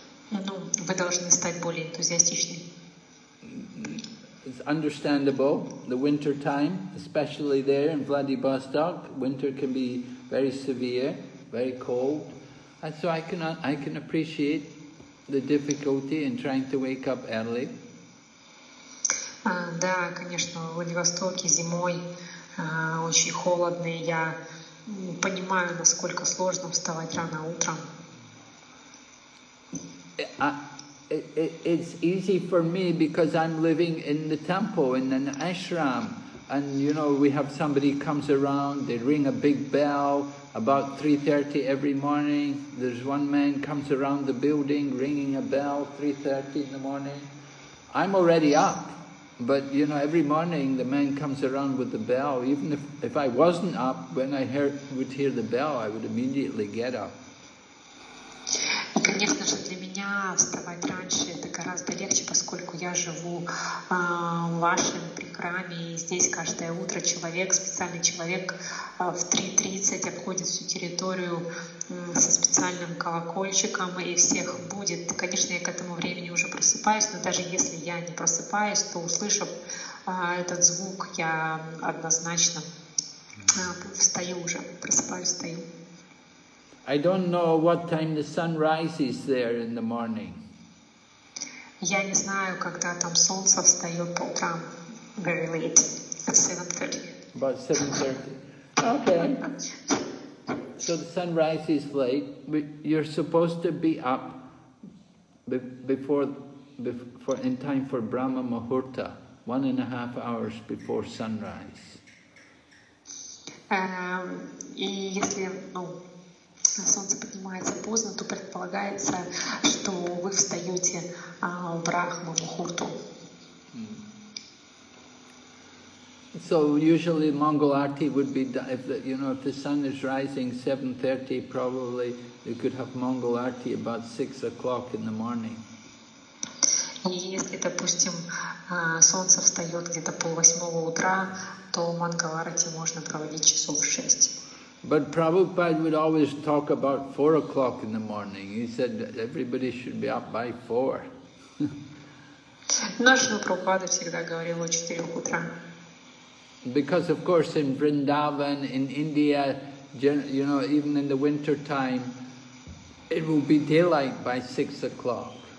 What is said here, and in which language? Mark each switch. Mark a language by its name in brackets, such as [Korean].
[Russian] Ну, вы должны стать более энтузиастичным. [English] It's understandable, the winter time, especially there in Vladivostok, winter can be very severe, very cold. And so I can appreciate the difficulty in trying to wake up early. [Russian] Да, конечно, в Владивостоке зимой очень холодно, и я понимаю, насколько сложно вставать рано утром. [English] It's easy for me because I'm living in the temple, in an ashram, and you know, we have somebody comes around, they ring a big bell about 3:30 every morning. There's one man comes around the building ringing a bell 3:30 in the morning. I'm already up. But, you know, every morning the man comes around with the bell. Even if I wasn't up, when I would hear the bell, I would immediately get up. [Russian] И, конечно же, для меня вставать раньше это гораздо легче, поскольку я живу в вашем прикраме, и здесь каждое утро человек, специальный человек в 3:30 обходит всю территорию со специальным колокольчиком и всех будет. Конечно, я к этому времени уже просыпаюсь, но даже если я не просыпаюсь, то услышав этот звук, я однозначно встаю уже, просыпаюсь, встаю. [English] I don't know what time the sun rises there in the morning. [Russian] Я не знаю, когда там солнце встает по утрам. [English] Very late. At 7:30. About 7:30. Okay. So the sun rises late. You're supposed to be up before in time for Brahma Muhurta, 1.5 hours before sunrise. [Russian] Солнце поднимается поздно, то предполагается, что вы встаете в Брахма-мухурту. [English] So usually Mangal Arati would be done, if the sun is rising 7:30, probably you could have Mangal Arati about 6 o'clock in the morning. [Russian] И если, допустим, солнце встает где-то 7:30 утра, то Мангал Арати можно проводить часов 6. [English] But Prabhupada would always talk about 4 o'clock in the morning. He said that everybody should be up by 4. [Russian] Наш Прабхупада всегда говорил о 4 утра. [English] Because of course in Vrindavan, in India, even in the winter time, it will be daylight by 6 o'clock.